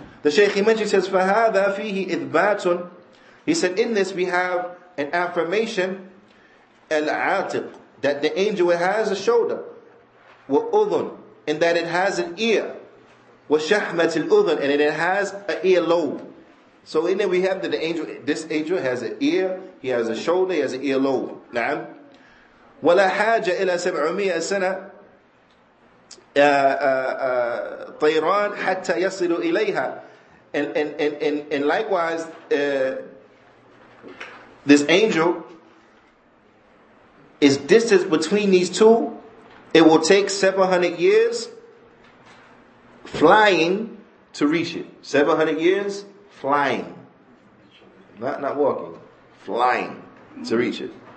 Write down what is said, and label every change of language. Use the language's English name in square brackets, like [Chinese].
[English] The Shaykh, he mentioned, he says, [Arabic] فَهَذَا فِيهِ إِذْبَاتٌ. [English] He said, in this we have an affirmation, العاتق, that the angel has a shoulder, [Arabic] وَأُذُن, [English] and that it has an ear, [Arabic] وَشَحْمَةِ الْأُذُن, [English] and it has an ear lobe. So in there we have that the angel, this angel has an ear, he has a shoulder, he has an ear lobe. [Arabic] نعم. وَلَا حَاجَةَ إِلَى 700 سَنَةً طيران حتى يصل إليها. [English] And likewise, this angel is distance between these two. It will take 700 years flying to reach it. 700 years flying, not walking, flying to reach it.